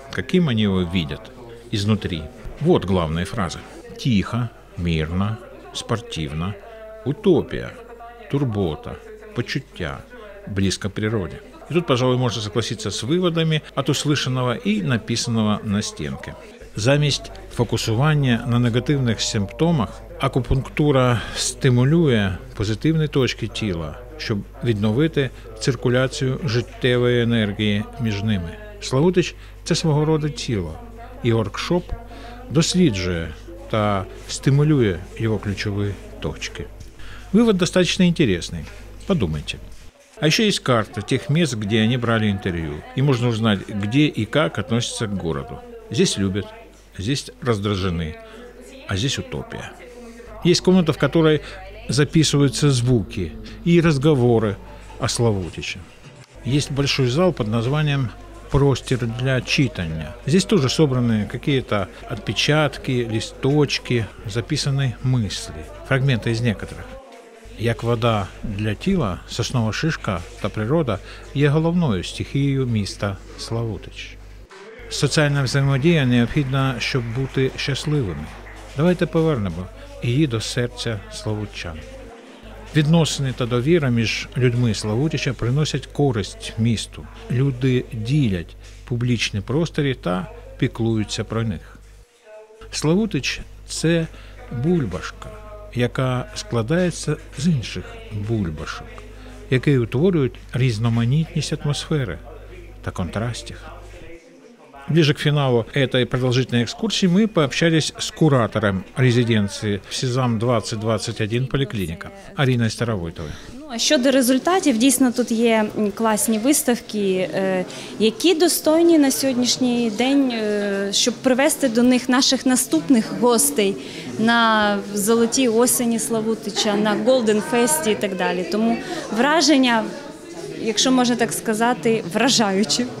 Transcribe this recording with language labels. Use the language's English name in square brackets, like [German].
[Russian] Каким они его видят изнутри? Вот главные фразы. Тихо, мирно, спортивно, утопия, [Ukrainian] турбота, почуття, [Russian] близко к природе. И тут, пожалуй, можно согласиться с выводами от услышанного и написанного на стенке. [Ukrainian] Замість фокусування на негативних симптомах, акупунктура стимулює позитивні точки тіла, щоб відновити циркуляцію життєвої енергії між ними. Славутич – це свого роду тіло, і воркшоп досліджує та стимулює його ключові точки. Вивод достатньо цікавий. Подумайте. [Russian] А еще есть карта тех мест, где они брали интервью. И можно узнать, где и как относятся к городу. Здесь любят, здесь раздражены, а здесь утопия. Есть комната, в которой записываются звуки и разговоры о Славутиче. Есть большой зал под названием «Простер для читания». Здесь тоже собраны какие-то отпечатки, листочки, записаны мысли, фрагменты из некоторых. [Ukrainian] Як вода для тіла, соснова шишка та природа є головною стихією міста Славутич. Соціальна взаємодія необхідна, щоб бути щасливими. Давайте повернемо її до серця славутчан. Відносини та довіра між людьми Славутича приносять користь місту. Люди ділять публічні простори та піклуються про них. Славутич – це бульбашка, яка складається з інших бульбашок, які утворюють різноманітність атмосфери та контрастів. [Russian] Ближе к финалу этой продолжительной экскурсии мы пообщались с куратором резиденции СИЗАМ 2021 поликлиника Ариной Старовойтовой. [Ukrainian] Щодо результатів, дійсно тут є класні виставки, які достойні на сьогоднішній день, щоб привести до них наших наступних гостей на золотій осені Славутича, на Golden Fest і так далі. Тому враження, якщо можна так сказати, вражаючі.